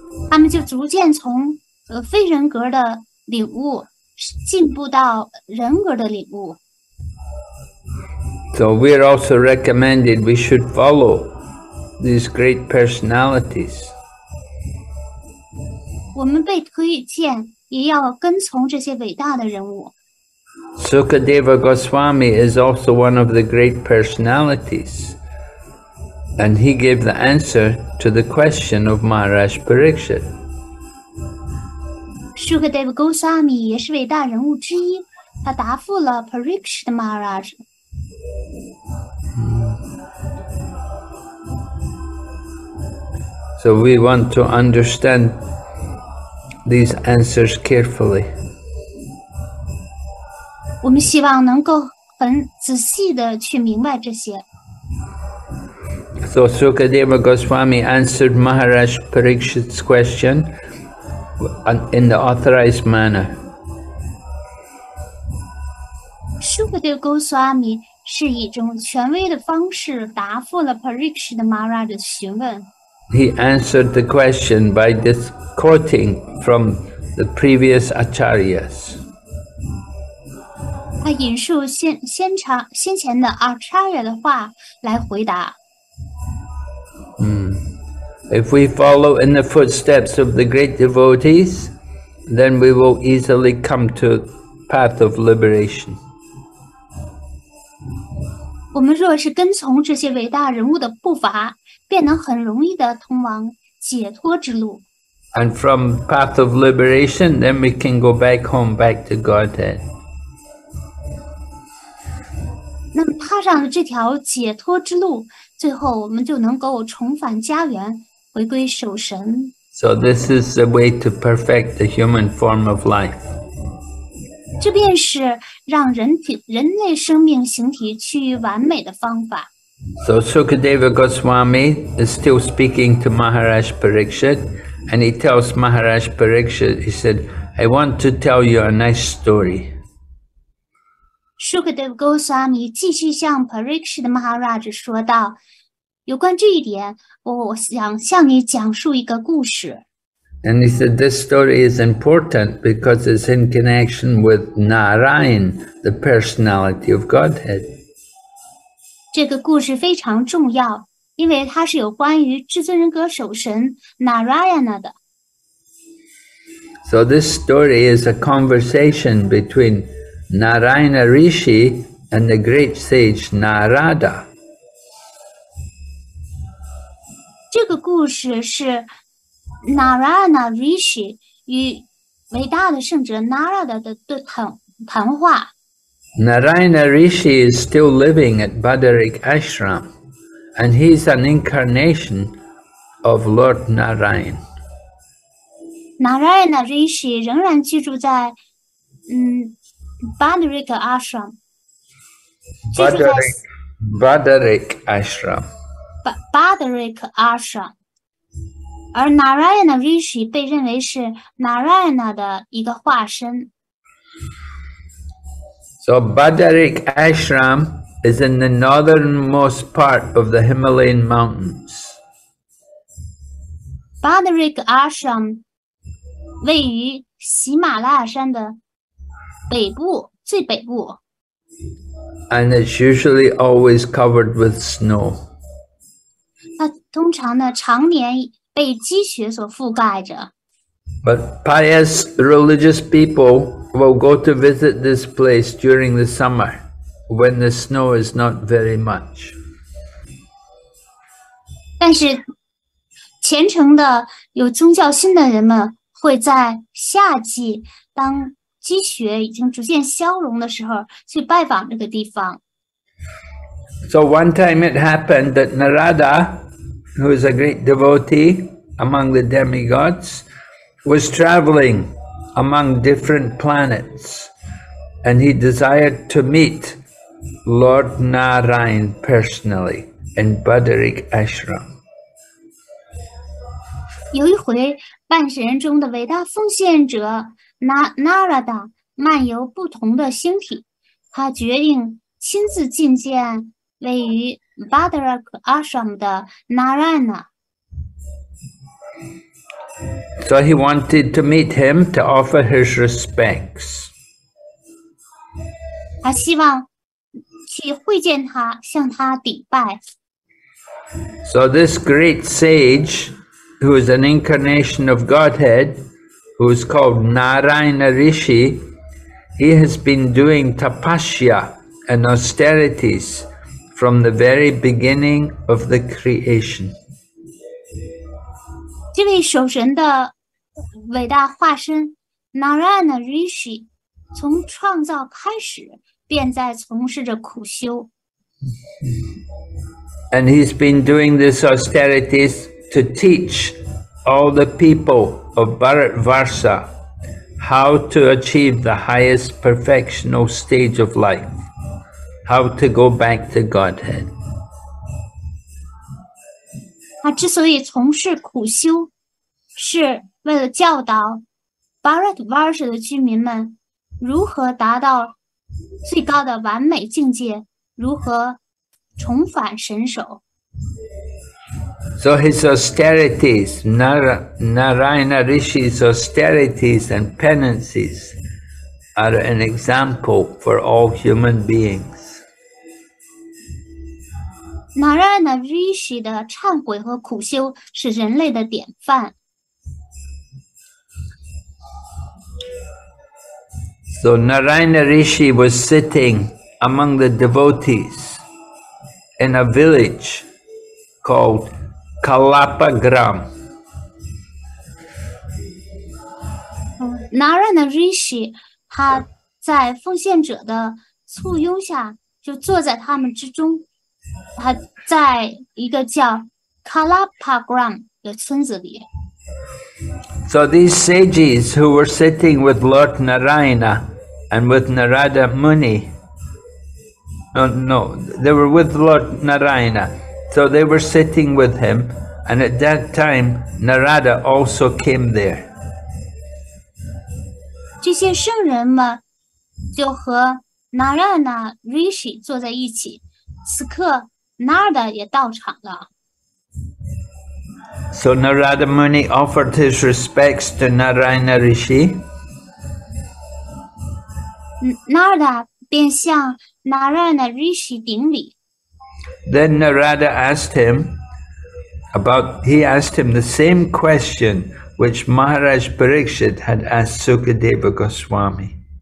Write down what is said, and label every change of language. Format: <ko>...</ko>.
<zh>他们就逐渐从非人格的领悟进步到人格的领悟。</zh> <en>So we are also recommended we should follow these great personalities.</en> <zh>我们被推荐 也要跟从这些伟大的人物。</zh> <en>Sukadeva Goswami is also one of the great personalities, and he gave the answer to the question of Maharaj Parikshit.</en> <zh>Sukadeva Goswami 也是伟大人物之一，他答复了 Parikshit Maharaj。</zh> <en>So we want to understand these answers carefully.</en> <zh>我们希望能够很仔细地去明白这些。</zh> <en>So Sukadeva Goswami answered Maharaj Parikshit's question in the authorized manner.</en> <zh>Sukadeva Goswami 是以一种权威的方式答复了 Parikshit Maharaj的询问。</zh> <en>He answered the question by this quoting from the previous acharyas.</en> <zh>他引述先前的 acharya 的话来回答。</zh> <en>If we follow in the footsteps of the great devotees, then we will easily come to path of liberation.</en> <zh>我们若是跟从这些伟大人物的步伐，便能很容易地通往解脱之路。</zh> <en>And from path of liberation, then we can go back home, back to Godhead.</en> <zh>那么踏上了这条解脱之路，最后我们就能够重返家园，回归守神。</zh> <en>So this is the way to perfect the human form of life.</en> <zh>这便是让人类生命形体趋于完美的方法。</zh> <en>So Sukadeva Goswami is still speaking to Maharaj Parikshit, and he tells Maharaj Parikshit, he said, I want to tell you a nice story.</en> <zh>Sukadeva Goswami 继续向 Parikshit Maharaj 说道，有关这一点，我想向你讲述一个故事。</zh> <en>And he said, this story is important because it's in connection with Narayan, the personality of Godhead.</en> <zh>这个故事非常重要，因为它是有关于至尊人格守神 Narayana 的。</zh> <en>So this story is a conversation between Narayana Rishi and the great sage Narada.</en> <zh>这个故事是 Narayana Rishi 与伟大的圣者 Narada 的谈话。</zh> <en>Narayana Rishi is still living at Badarik Ashram, and he is an incarnation of Lord Narayan.</en> <zh>Narayana Rishi 仍然居住在Badarik Ashram. Badarik Ashram. Badarik Ashram, 而 Narayana Rishi 被认为是 Narayana 的一个化身。</zh> <en>So Badarik Ashram is in the northernmost part of the Himalayan mountains.</en> <zh>Badarik Ashram 位于喜马拉雅山的北部，最北部。</zh> <en>And it's usually always covered with snow.</en> <zh>通常呢，常年被积雪所覆盖着。</zh> <en>But pious religious people will go to visit this place during the summer when the snow is not very much.</en> <zh>但是，虔诚的有宗教心的人们会在夏季，当积雪已经逐渐消融的时候，去拜访这个地方。</zh> <en>So one time it happened that Narada. Who is a great devotee among the demigods, was traveling among different planets, and he desired to meet Lord Narayan personally in Badarik Ashram.</en> <zh>有一回，半神人中的伟大奉献者 Narada 漫游不同的星体，他决定亲自觐见位于。 Badarik Ashram 的 Narayana.</zh> <en>So he wanted to meet him to offer his respects.</en> <zh>他希望去会见他，向他礼拜。</zh> <en>So this great sage, who is an incarnation of Godhead, who is called Narayana Rishi, he has been doing tapasya and austerities. From the very beginning of the creation.</en> <zh>这位守神的伟大化身 Narayana Rishi 从创造开始便在从事着苦修。</zh> <en>And he's been doing these austerities to teach all the people of Bharatvarsha how to achieve the highest perfectional stage of life. How to go back to Godhead.</en> <zh>他之所以从事苦修，是为了教导 Bharatvarsha 的居民们如何达到最高的完美境界，如何重返神首。</zh> <en>So his austerities, Narayana Rishi's austerities and penances are an example for all human beings.</en> <zh>Narayana Rishi 的忏悔和苦修是人类的典范。</zh> <en>So Narayana Rishi was sitting among the devotees in a village called Kalapagram.</en> <zh>Narayana Rishi, 他在奉献者的簇拥下就坐在他们之中，他在一个叫 Kalapagram 的村子里。</zh> <en>So these sages who were sitting with Lord Narayana and with Narada Muni, they were with Lord Narayana. So they were sitting with him, and at that time Narada also came there.</en> <zh>这些圣人们就和 Narayana Rishi 坐在一起，此刻 Narada 也到场了。</zh> <en>So Narada Muni offered his respects to Narayana Rishi.</en> <zh>Narada 便向 Narayana Rishi 顶礼。</zh> <en>Then Narada asked him about, he asked him the same question which Maharaj Parikshit had asked Sukadeva Goswami.</en>